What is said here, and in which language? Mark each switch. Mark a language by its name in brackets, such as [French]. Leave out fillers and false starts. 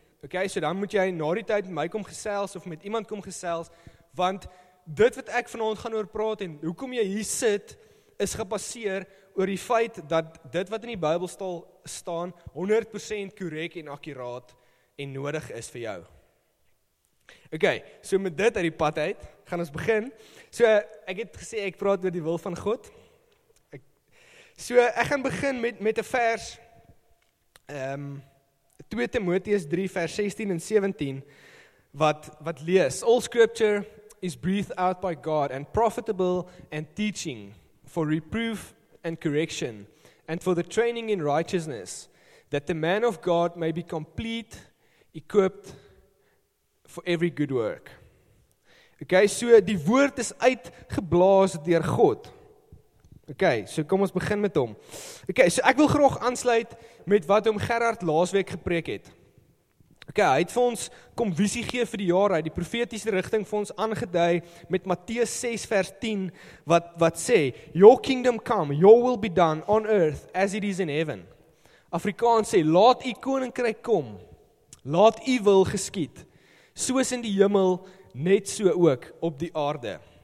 [Afrikaans] Okay, so dan moet jy na die tyd met my kom gesels of met iemand kom gesels, want dit wat ek vanaand gaan oor praat en hoekom jy hier sit, is gebaseer oor die feit dat dit wat in die Bybel staan 100% korrek en akkuraat en nodig is vir jou. Okay, so met dit uit die pad uit, gaan ons begin. So, ek het gesê ek praat oor die wil van God. Ek gaan begin met 'n vers 2 Timoteus 3 vers 16 en 17 wat lees: [English] All scripture is breathed out by God and profitable and teaching for reproof and correction and for the training in righteousness that the man of God may be complete equipped for every good work. [Afrikaans] Okay, so die woord is uitgeblaas deur God. Okay, so kom ons begin met hom. Okay, so ek wil graag aansluit met wat hom Gerard laasweek gepreek het. Okay, hy het vir ons kom visie gee vir die jaar, hy het die profetiese rigting vir ons aangedui met Matteus 6 vers 10 wat sê: [English] Your kingdom come, your will be done on earth as it is in heaven. [Afrikaans] Afrikaans sê: Laat u koninkryk kom. Laat u wil geskied, soos in die hemel, net so ook op die aarde.